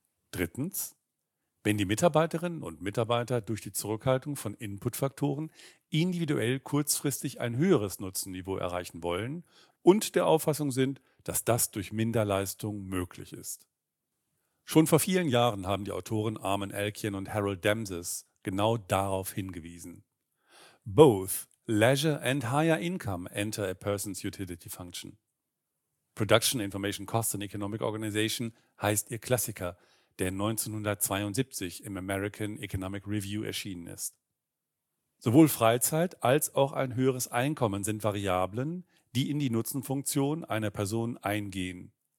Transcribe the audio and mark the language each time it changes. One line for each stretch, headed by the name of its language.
German: Drittens, wenn die Mitarbeiterinnen und Mitarbeiter durch die Zurückhaltung von Inputfaktoren individuell kurzfristig ein höheres Nutzenniveau erreichen wollen und der Auffassung sind, dass das durch Minderleistung möglich ist. Schon vor vielen Jahren haben die Autoren Armin Elkin und Harold Damses genau darauf hingewiesen.
English: Both Leisure and higher income enter a person's utility function.
German: Production Information Cost and Economic Organization heißt ihr Klassiker, der 1972 im American Economic Review erschienen ist. Sowohl Freizeit als auch ein höheres Einkommen sind Variablen, die in die Nutzenfunktion einer Person eingehen.